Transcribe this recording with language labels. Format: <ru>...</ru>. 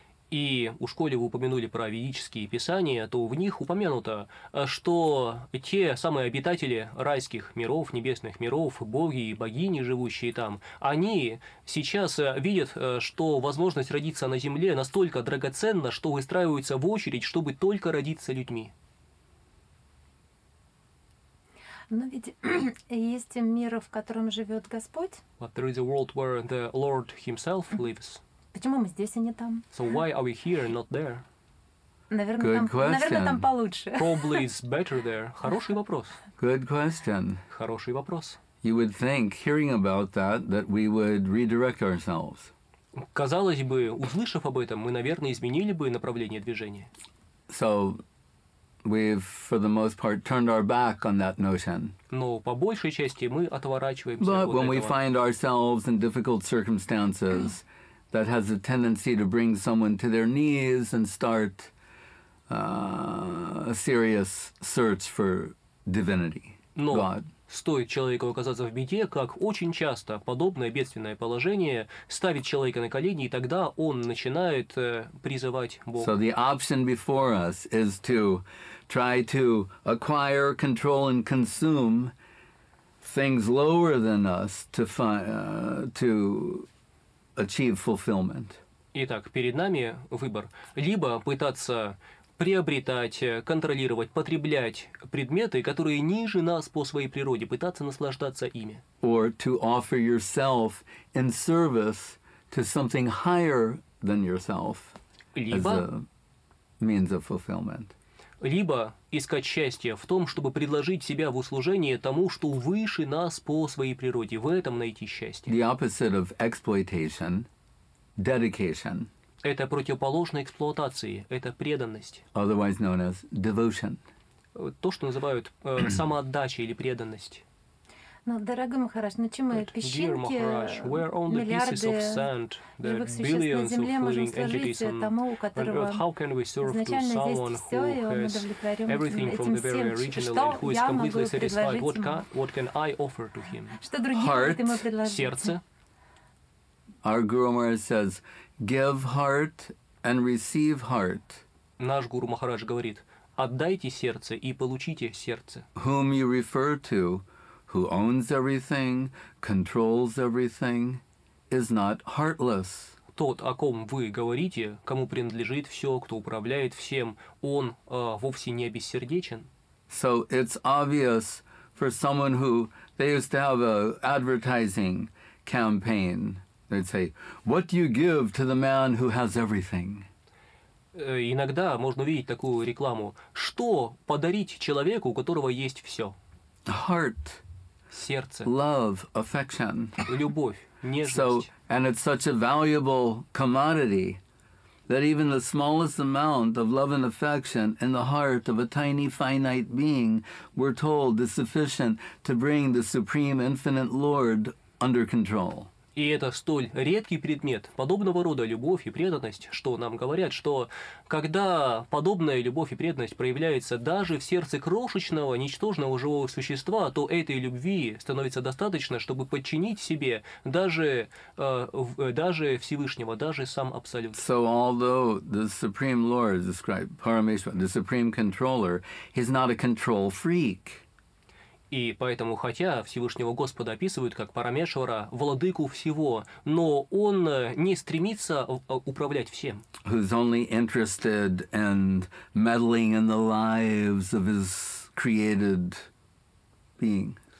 <ru>И у школе вы упомянули про ведические писания, то в них упомянуто, что те самые обитатели райских миров, небесных миров, боги и богини, живущие там, они сейчас видят, что возможность родиться на Земле настолько драгоценна, что выстраиваются в очередь, чтобы только родиться людьми. Но ведь есть мир, в котором живет Господь.</ru> <en>But there is a world where the Lord Himself lives.</en> <ru>Почему мы здесь, а не там?</ru> <en>So why are we here and not there?</en> <ru>Наверное, там получше.</ru> <en>Probably it's better there.</en> <ru>Хороший вопрос.</ru> <en>Good question.</en> <ru>Хороший вопрос.</ru> <en>You would think, hearing about that, that we would redirect ourselves.</en> <ru>Казалось бы, услышав об этом, мы, наверное, изменили бы направление движения.</ru> <en>So we've, for the most part, turned our back on that notion.</en> <ru>Но по большей части мы отворачиваемся от этого.</ru> <en>When we find ourselves in difficult circumstances, that has a tendency to bring someone to their knees and start a serious search for divinity, God.</en> <ru>Стоит человеку оказаться в беде, как очень часто подобное бедственное положение ставит человека на колени, и тогда он начинает призывать Бога.</ru> <en>So the option before us is to try to acquire, control, and consume things lower than us to to achieve fulfillment.</en> <ru>Итак, перед нами выбор. Либо пытаться приобретать, контролировать, потреблять предметы, которые ниже нас по своей природе, пытаться наслаждаться ими.</ru> <en>Or to offer yourself in service to something higher than yourself as a means of fulfillment.</en> <ru>Либо искать счастье в том, чтобы предложить себя в услужение тому, что выше нас по своей природе. В этом найти счастье.</ru> <en>The opposite of exploitation, dedication.</en> <ru>Это противоположно эксплуатации, это преданность.</ru> <en>Otherwise known as devotion.</en> <ru>То, что называют самоотдача или преданность. Ну, дорогой Махарадж, на чем мы песчинки, миллиарды живых существ на Земле можем служить тому, у которого изначально здесь есть все, и он удовлетворен этим всем? Что я могу предложить ему? Что другие могут ему предложить? Сердце.</ru> <en>Our Guru Maharaj says, give heart and receive heart.</en> <ru>наш Гуру Махарадж говорит: «Отдайте сердце и получите сердце».</ru> <en>Whom you refer to, who owns everything, controls everything, is not heartless.</en> <ru>Тот, о ком вы говорите, кому принадлежит все, кто управляет всем, он вовсе не бессердечен.</ru> <en>So it's obvious for someone who they used to have an advertising campaign. They'd say, "What do you give to the man who has everything?"</en> <ru>Иногда можно увидеть такую рекламу: что подарить человеку, у которого есть все?</ru> <en>Heart,</en> <ru>сердце,</ru> <en>love, affection,</en> <ru>любовь, нежность.</ru> <en>So, and it's such a valuable commodity that even the smallest amount of love and affection in the heart of a tiny finite being, we're told, is sufficient to bring the supreme infinite Lord under control.</en> <ru>И это столь редкий предмет, подобного рода любовь и преданность, что нам говорят, что когда подобная любовь и преданность проявляется даже в сердце крошечного, ничтожного живого существа, то этой любви становится достаточно, чтобы подчинить себе даже Всевышнего, даже сам Абсолют.</ru> <en>So although the Supreme Lord is described, Parameshwar, the Supreme Controller, he's not a control freak.</en> <ru>И поэтому, хотя Всевышнего Господа описывают как Парамешвара, владыку всего, но он не стремится управлять всем.</ru> <en>Who's only interested in meddling in the lives of his created being.</en>